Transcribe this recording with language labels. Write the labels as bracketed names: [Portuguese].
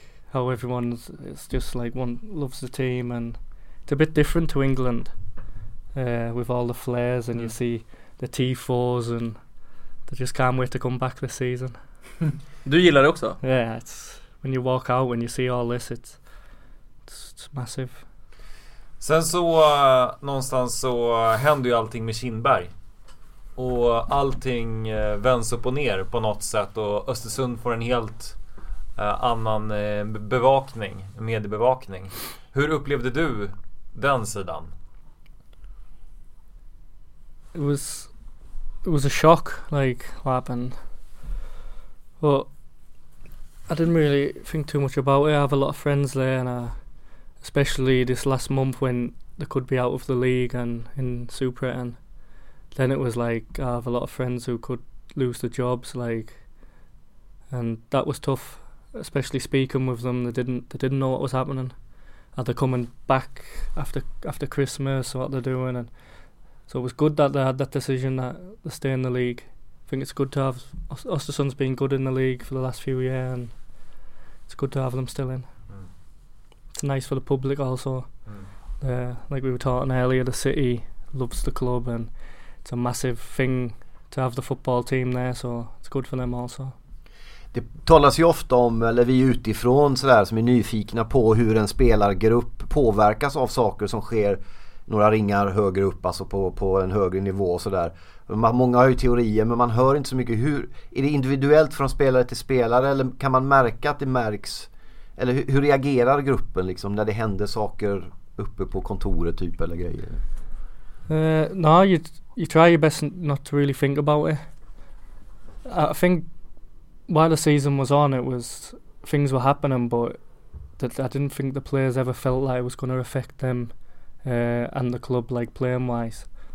[English] how everyone's, it's just like one loves the team, and it's a bit different to England with all the flares, and you see the tifos, and they just can't wait to come back this season. Do you [Swedish] gillar det också? [English] Yeah, it's when you walk out, when you see all this, it's massive. [Swedish] Sen så någonstans så händer ju allting med Kindberg. Och allting vänds upp och ner på något sätt, och Östersund får en helt annan bevakning, mediebevakning. Hur upplevde du den sidan? [English] It was a shock, like what happened. But I didn't really think too much about it. I have a lot of friends there, and especially this last month when they could be out of the league and in Super, and then it was like I have a lot of friends who could lose their jobs, like, and that was tough. Especially speaking with them, they didn't know what was happening. Are they coming back after Christmas, or what they're doing? And so it was good that they had that decision that they stay in the league. I think it's good to have Östersund's been good in the league for the last few years, and it's good to have them still in. Mm. It's nice for the public also. Mm. Like we were talking earlier, the city loves the club, and it's a massive thing to have the football team there, so it's good for them also. [Swedish] Det talas ju ofta om, eller vi utifrån så där, som är nyfikna på hur en spelargrupp påverkas av saker som sker några ringar högre upp, alltså på en högre nivå och sådär. Många har ju teorier, men man hör inte så mycket. Hur är det individuellt från spelare till spelare, eller kan man märka att det märks, eller hur reagerar gruppen liksom när det händer saker uppe på kontoret typ eller grejer? [English] No, you try your best not to really think about it. I think while the season was on, it was things were happening, but that I didn't think the players ever felt like it was going to affect them and the club, like playing wise.